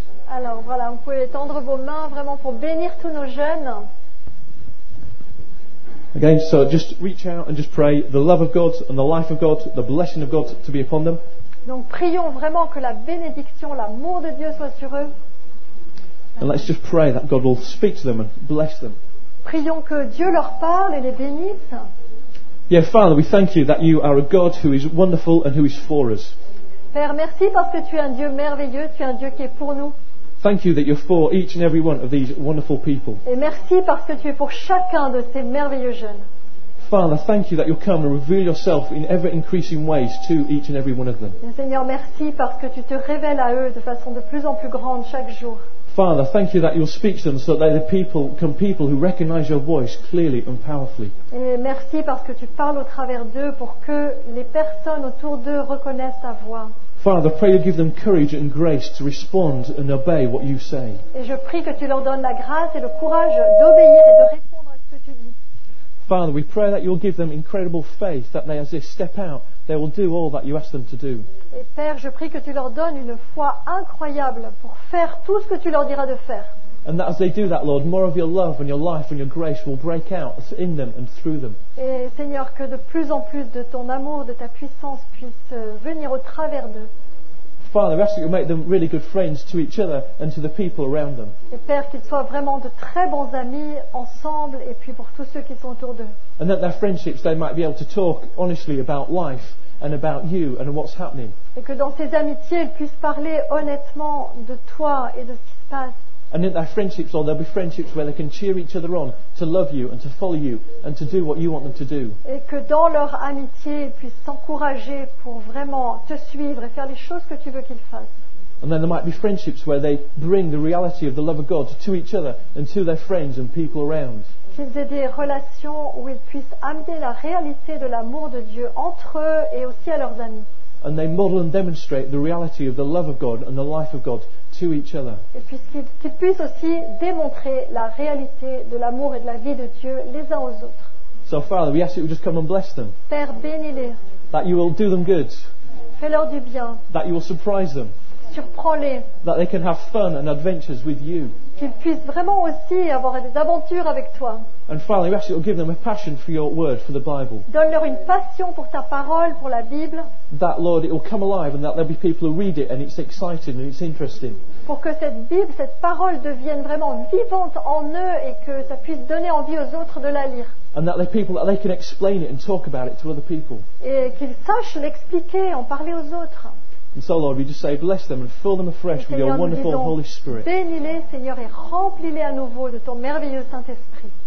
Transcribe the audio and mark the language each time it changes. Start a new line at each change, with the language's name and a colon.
French: Alors, voilà, vous pouvez tendre vos mains vraiment pour bénir tous nos jeunes.
English: Again, so just reach out and just pray the love of God and the life of God, the blessing of God to be upon them.
French: Donc prions vraiment que la bénédiction, l'amour de Dieu soit sur eux.
English: And let's just pray that God will speak to them and bless them.
French: Prions que Dieu leur parle et les bénisse.
English: Yeah, Father, we thank you that you are a God who is wonderful and who is for us.
French: Père, merci parce que tu es un Dieu merveilleux, tu es un Dieu qui est pour nous.
English: Thank you that you're for each and every one of these wonderful people.
French: Et merci parce que tu es pour chacun de ces merveilleux jeunes.
English: Father, thank you that you'll come and reveal yourself in ever increasing ways to each and every one of them.
French: Et Seigneur, merci parce que tu te révèles à eux de façon de plus en plus grande chaque jour.
English: Father, thank you that you'll speak to them so that the people can people who recognize your voice clearly and powerfully.
French: Et merci parce que tu parles au travers d'eux pour que les personnes autour d'eux reconnaissent ta voix.
English: Father, pray you give them courage and grace to respond and obey what you say.
French: Et je prie que tu leur donnes la grâce et le courage d'obéir et de répondre à ce que tu dis.
English: Father, we pray that you'll give them incredible faith that they, as they step out, they will do all that you ask them to do.
French: Et Père, je prie que tu leur donnes une foi incroyable pour faire tout ce que tu leur diras de faire.
English: And that as they do that, Lord, more of your love and your life and your grace will break out in them and through them.
French: Et Seigneur, que de plus en plus de ton amour, de ta puissance puisse venir au travers d'eux.
English: Father, we ask that you make them really good friends to each other and to the people around them.
French: Et Père, qu'ils soient vraiment de très bons amis ensemble et puis pour tous ceux qui sont autour d'eux.
English: And that their friendships, they might be able to talk honestly about life and about you and what's happening.
French: Et que dans ces amitiés, ils puissent parler honnêtement de toi et de ce qui se passe.
English: And in their friendships, Lord, there'll be friendships where they can cheer each other on to love you and to follow you and to do what you want them to do.
French: Et que dans leur amitié, ils puissent s'encourager pour vraiment te suivre et faire les choses que tu veux qu'ils fassent.
English: And then there might be friendships where they bring the reality of the love of God to each other and to their friends and people around.
French: Qu'ils aient des relations où ils puissent amener la réalité de l'amour de Dieu entre eux et aussi à leurs amis.
English: And they model and demonstrate the reality of the love of God and the life of God to each other.
French: Et puis qu'ils puissent aussi démontrer la réalité de l'amour et de la vie de Dieu les uns aux autres.
English: So Father, we ask that you would just come and bless them.
French: Père, bénis-les.
English: That you will do them good.
French: Fais-leur du bien.
English: That you will surprise them.
French: Surprends-les.
English: That they can have fun and adventures with you.
French: Qu'ils puissent vraiment aussi avoir des aventures avec toi.
English: And finally, we ask that you will give them a passion for your word, for the Bible.
French: Donne-leur une passion pour ta parole, pour la Bible.
English: That, Lord, it will come alive and that there'll be people who read it and it's exciting and it's interesting.
French: Pour que cette Bible, cette parole devienne vraiment vivante en eux et que ça puisse donner envie aux autres de la lire.
English: and that they're people that they can explain it and talk about it to other people.
French: Et qu'ils sachent l'expliquer, en parler aux autres.
English: And so, Lord, we just say, bless them and fill them afresh with your wonderful Holy Spirit.
French: Bénis-les, Seigneur, et remplis-les à nouveau de ton merveilleux Saint-Esprit.